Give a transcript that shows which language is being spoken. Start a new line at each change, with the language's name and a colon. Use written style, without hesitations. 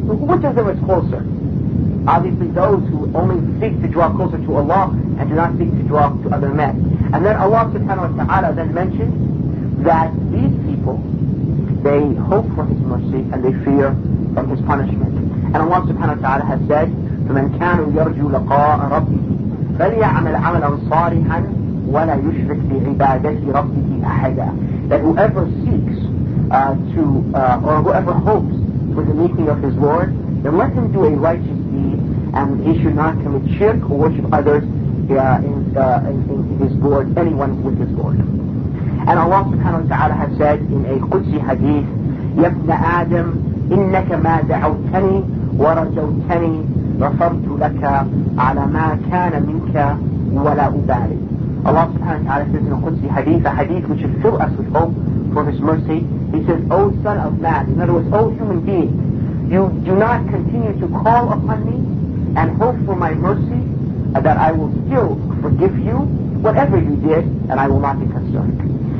English: So which of them is closer? Obviously those who only seek to draw closer to Allah and do not seek to draw to other men. And then Allah subhanahu wa ta'ala then mentions that these people, they hope for his mercy and they fear from his punishment. And Allah subhanahu wa ta'ala has said,
Arabic: فَمَنْ كَانُوا يَرْجُوا لَقَاءَ رَبِّهِ فَلْيَعْمَلْ عَمَلًا صَالِحًا وَلَا يُشْرِكْ بِعِبَادَةِ رَبِّهِ أَحَدًا.
English: That whoever seeks or whoever hopes for the meeting of his Lord, then let him do a righteous deed and he should not commit shirk or worship others in his Lord, anyone with his Lord. And Allah subhanahu wa ta'ala has said in a Qudsi hadith,
Arabic: يَبْنَ آدَمْ إِنَّكَ مَا دَعَوْتَنِي وَرَجَوْتَنِي رَفَرْتُ لَكَ عَلَى مَا كَانَ مِنْكَ وَلَا أُبَالِي.
English: Allah subhanahu wa ta'ala says in a Qudsi hadith, a hadith which should fill us with hope for His mercy. He says, O son of man, in other words, O human being, you do not continue to call upon me and hope for my mercy that I will still forgive you whatever you did, and I will not be concerned.